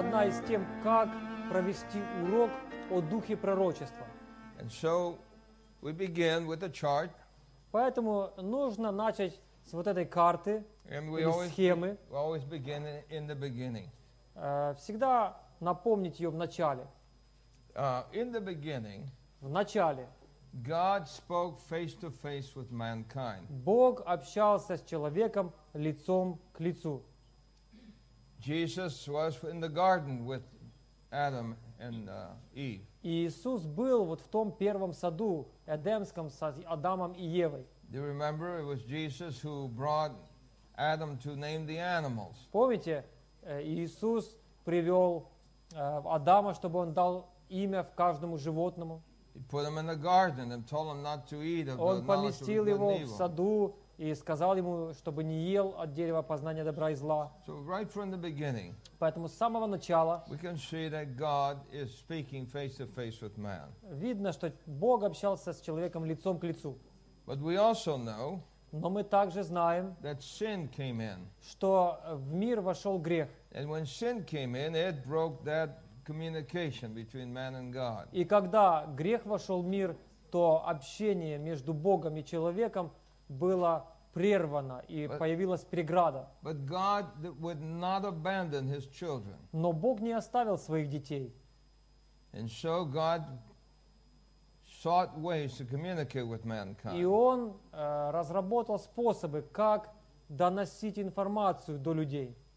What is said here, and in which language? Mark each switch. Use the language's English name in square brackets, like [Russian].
[Russian] с тем, как провести урок о духе пророчества. [English] And so we begin with a chart. [Russian] Поэтому нужно начать с вот этой карты, схемы. [English] We always begin in the beginning. [Russian] Всегда напомнить ее в начале. [English] In the beginning, [Russian] в начале, [English] God spoke face to face with mankind. [Russian] Бог общался с человеком лицом к лицу. [English] Jesus was in the garden with Adam and Eve. [Russian] Иисус был вот в том первом саду, Эдемском, с Адамом и Евой. [English] Do you remember? It was Jesus who brought Adam to name the animals. [Russian] Помните, Иисус привел Адама, чтобы он дал имя в каждому животному. [English] He put him in the garden and told him not to eat of the knowledge of good and evil. [Russian] Он поместил его в саду и сказал ему, чтобы не ел от дерева познания добра и зла. [English] So right from the beginning, [Russian] поэтому с самого начала [English] we can see that God is speaking face to face with man. [Russian] Видно, что Бог общался с человеком лицом к лицу. [English] But we also know, [Russian] но мы также знаем, [English] that sin came in, [Russian] что в мир вошел грех. [English] And when sin came in, it broke that communication between man and God. [Russian] И когда грех вошел в мир, то общение между Богом и человеком было прервано, и появилась преграда. [English] But God would not abandon his children. [Russian] Но Бог не оставил своих детей. [English] And so God sought ways to communicate with mankind. [Russian] И он разработал способы, как доносить информацию до людей.